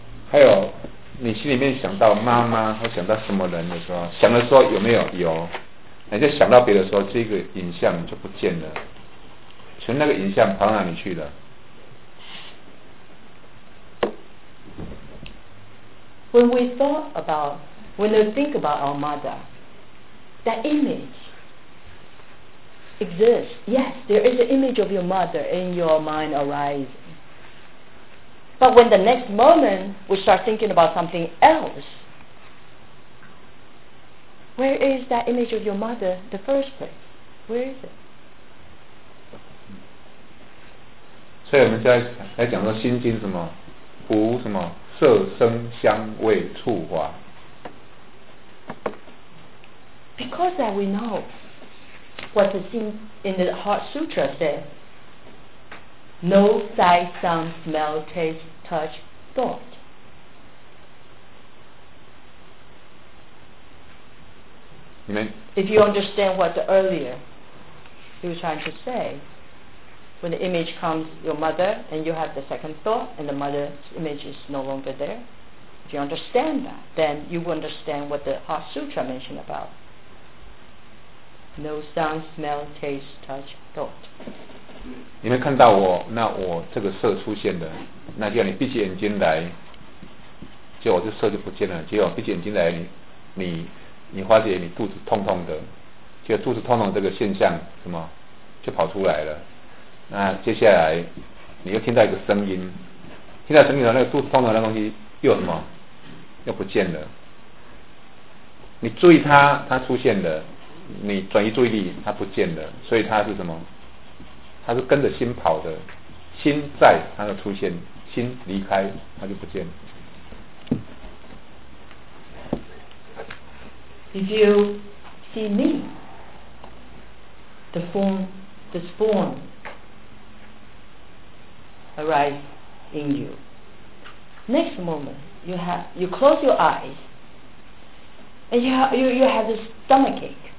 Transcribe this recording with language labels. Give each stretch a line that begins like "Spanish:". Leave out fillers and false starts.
Chinese: 还有你心里面想到妈妈或想到什么人的时候，想的时候有没有？有。你在想到别的时候，这个影像就不见了，所以那个影像跑到哪里去了？
English: When we thought about, when we think about our mother, that image exists. Yes, there is an image of your mother in your mind arising. But when the next moment we start thinking about something else,Where is that image of your mother in the first place? Where is it?
Chinese: 所以我们在来讲说心经什么无什么色声香味触法。
English: Because that we know what the thing in the Heart Sutra says, no sight, sound, smell, taste, touch, thought. If you understand what the earlier he was trying to say, when the image comes, your mother, and you have the second thought, and the mother's image is no longer there, if you understand that, then you will understand what the Heart Sutra mentioned about. No sound, smell, taste, touch, thought.
Chinese: 你能看到我，那我这个色出现的，那就要你闭起眼睛来，结果这色就不见了。结果闭起眼睛来，你发觉你肚子痛痛的，结果肚子痛痛的这个现象什么就跑出来了。那接下来你又听到一个声音，听到声音的那个肚子痛痛的那东西又什么又不见了。你注意它出现了，你转移注意力它不见了，所以它是什么？他是跟着心跑的，心在他就出现，心离开他就不见
English: 了。 If you see me, the form, this form arise in you. Next moment, you close your eyes, and you have this stomachache.